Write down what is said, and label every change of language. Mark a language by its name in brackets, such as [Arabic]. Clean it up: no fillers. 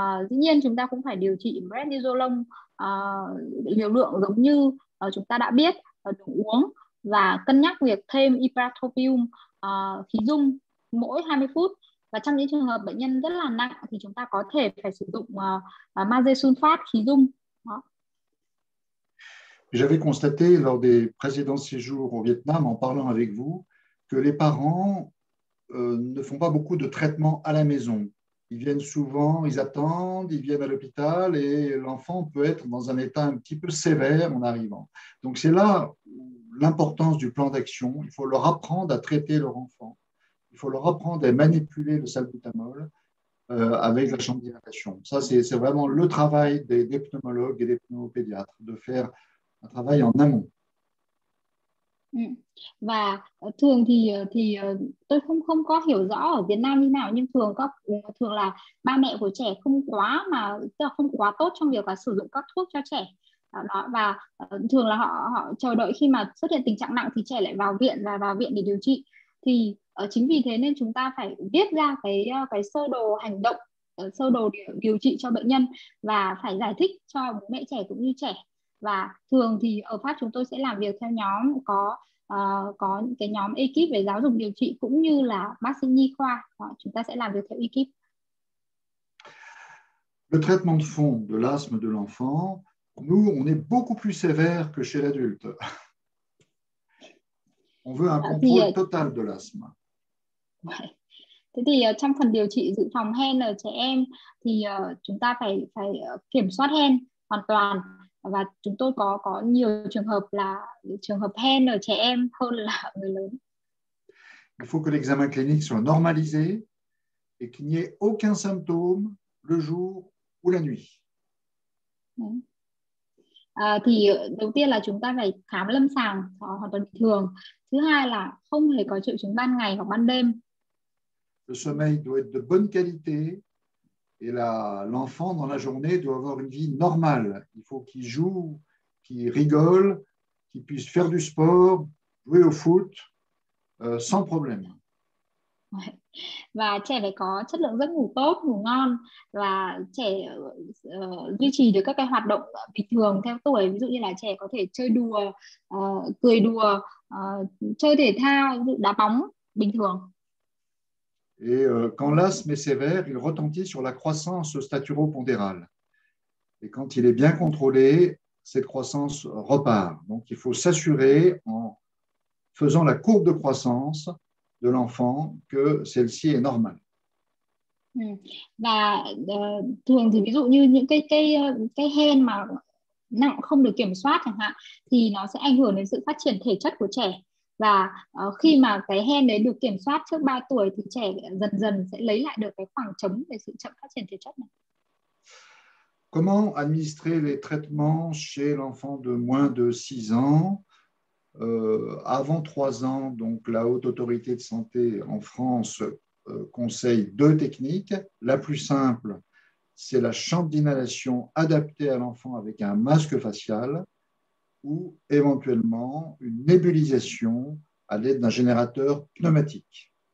[Vietnamese] Dĩ nhiên chúng ta cũng phải điều trị prednisolone liều lượng giống như chúng ta đã biết đủ uống, và cân nhắc việc thêm ipratropium khí dung mỗi 20 phút. Và trong những trường hợp bệnh nhân rất là nặng thì chúng ta có thể phải sử dụng magie sulfate khí dung. [French] J'avais constaté lors des précédents séjours au Vietnam en parlant avec vous que les parents ne font pas beaucoup de traitements à la maison. Ils viennent souvent, ils attendent, ils viennent à l'hôpital et l'enfant peut être dans un état un petit peu sévère en arrivant. Donc c'est là l'importance du plan d'action. Il faut leur apprendre à traiter leur enfant. Il faut leur apprendre à manipuler le salbutamol avec la chambre d'inhalation. Ça, c'est vraiment le travail des pneumologues et des pneumopédiatres, de faire un travail en amont. [Vietnamese] Và thường thì tôi không không có hiểu rõ ở Việt Nam như nào, nhưng thường có thường là ba mẹ của trẻ không quá mà tức là không quá tốt trong việc là sử dụng các thuốc cho trẻ đó, và thường là họ họ chờ đợi khi mà xuất hiện tình trạng nặng thì trẻ lại vào viện và vào viện để điều trị. Thì chính vì thế nên chúng ta phải viết ra cái sơ đồ hành động, sơ đồ điều trị cho bệnh nhân, và phải giải thích cho bố mẹ trẻ cũng như trẻ. Và thường thì ở Pháp chúng tôi sẽ làm việc theo nhóm, có cái nhóm ekip về giáo dục điều trị cũng như là bác sĩ nhi khoa đó, chúng ta sẽ làm việc theo ekip. [French] Le traitement de fond de l'asthme de l'enfant, nous, on est beaucoup plus sévère que chez l'adulte. On veut un contrôle total de l'asthme. [Vietnamese] Thế thì trong phần điều trị dự phòng hen ở trẻ em thì chúng ta phải phải kiểm soát hen hoàn toàn, và chúng tôi có nhiều trường hợp là trường hợp hen ở trẻ em hơn là người lớn. [French] Il faut que l'examen clinique soit normalisé et qu'il n'y ait aucun symptôme le jour ou la nuit. [Vietnamese] Đấy. Thì đầu tiên là chúng ta phải khám lâm sàng hoàn toàn bình thường. Thứ hai là không hề có triệu chứng ban ngày hoặc ban đêm. [French] Le sommeil doit être de bonne qualité et l'enfant dans la journée doit avoir une vie normale. Il faut qu'il joue, qu'il rigole, qu'il puisse faire du sport, jouer au foot, sans problème. [Vietnamese] Và trẻ phải có chất lượng giấc ngủ tốt, ngủ ngon, và trẻ duy trì được các cái hoạt động bình thường theo tuổi, ví dụ như là trẻ có thể chơi đùa, cười đùa, chơi thể thao, ví dụ đá bóng bình thường. [French] Et quand l'asthme est sévère, il retentit sur la croissance staturo-pondérale. Et quand il est bien contrôlé, cette croissance repart. Donc il faut s'assurer, en faisant la courbe de croissance de l'enfant, que celle-ci est normale. [Vietnamese] Và thường thì ví dụ như những cái hen mà nặng không được kiểm soát chẳng hạn, thì nó sẽ ảnh hưởng đến sự phát triển thể chất của trẻ, và khi mà cái hen đấy được kiểm soát trước 3 tuổi thì trẻ dần dần sẽ lấy lại được cái khoảng trống về sự chậm phát triển thể chất này. [French] Comment administrer les traitements chez l'enfant de moins de 6 ans? Avant 3 ans, donc la Haute Autorité de Santé en France conseille deux techniques. La plus simple, c'est la chambre d'inhalation adaptée à l'enfant avec un masque facial ou éventuellement une nébulisation à l'aide d'un générateur pneumatique.